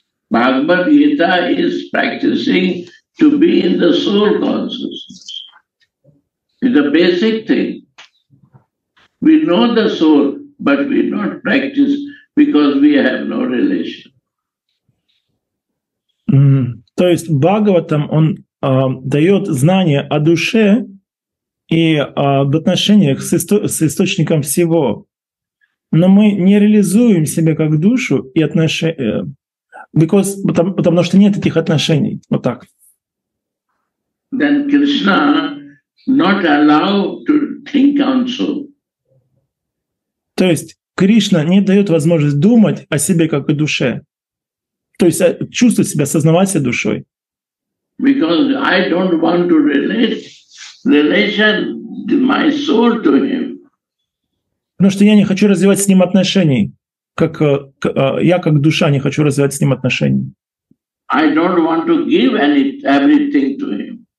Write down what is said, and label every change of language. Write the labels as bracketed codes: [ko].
[en] Bhagavad Gita is practicing to be in the soul consciousness. It's a basic thing. We know the soul, but we not practice Because we have no relation. Mm. [ru] То есть Бхагаватам, он дает знания о душе и в отношениях с источником всего. Но мы не реализуем себя как душу и отношения, потому что нет таких отношений. Вот так. [en] Then Krishna not allowed to think also. [ru] То есть Кришна не дает возможность думать о себе как о душе. То есть чувствовать себя, осознавать себя душой. [en] Because I don't want to relation my soul to him. [ru] Потому что я не хочу развивать с ним отношений, как я как душа не хочу развивать с ним отношений. [en] I don't want to give everything to him.